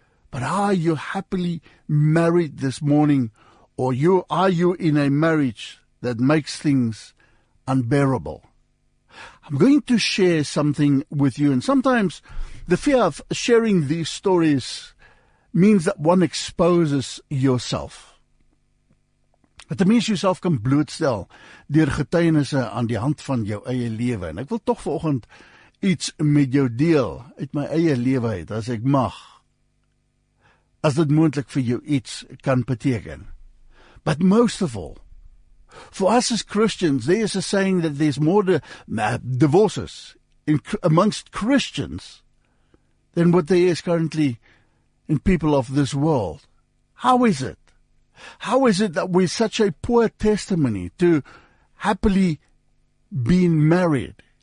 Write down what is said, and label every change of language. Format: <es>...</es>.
<en>But are you happily married this morning, or are you in a marriage that makes things unbearable? I'm going to share something with you. And sometimes the fear of sharing these stories means that one exposes yourself.</en> <af>Dat die mens jouself kan blootstel deur getuienisse aan die hand van jou eie lewe. En ek wil tog vanoggend iets met jou deel uit my eie lewe uit, as ek mag. As dit moontlik vir jou iets kan beteken.</af> <en>But most of all, for us as Christians, there is a saying that there's more divorces amongst Christians than what there is currently in people of this world. How is it? How is it that we're such a poor testimony to happily being married?</en>